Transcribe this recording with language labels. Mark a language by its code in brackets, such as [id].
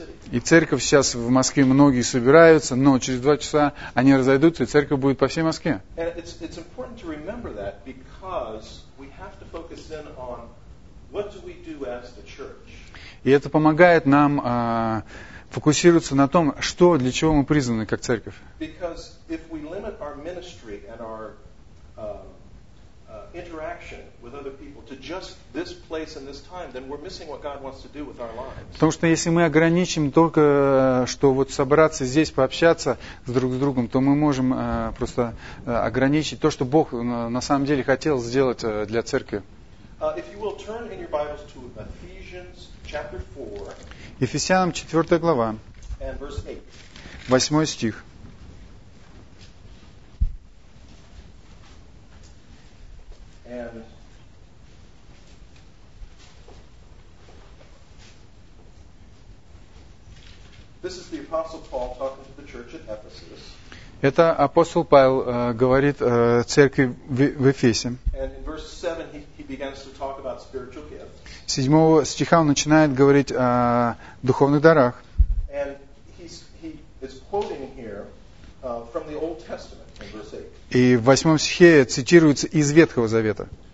[ru] И церковь сейчас в Москве многие собираются, но через два часа они разойдутся, и церковь будет по всей Москве. [en] It's important to remember that because we have to focus in on what do we do as the church. [ru] И это помогает нам фокусироваться на том, что для чего мы призваны как церковь. [en] Because if we limit our ministry and our interaction with other people to just this place and this time, then we're missing what God wants to do with our lives. [ru] Потому что если мы ограничим только что вот собраться здесь пообщаться с друг с другом, то мы можем просто ограничить то, что Бог на самом деле хотел сделать для церкви. [en] If you will turn in your Bibles to Ephesians chapter 4. [ru] Ефесянам 4 глава. [en] And verse 8. [ru] 8 стих. [en] This is the Apostle Paul talking to the church at Ephesus. [ru] Это апостол Павел говорит церкви в Эфесе. [en] And in verse 7 he begins to talk about spiritual gifts. [ru] 7 стиха он начинает говорить о духовных дарах. [en] And he is quoting here from the Old Testament. [ru] И в 8 стихе цитируется из Ветхого Завета.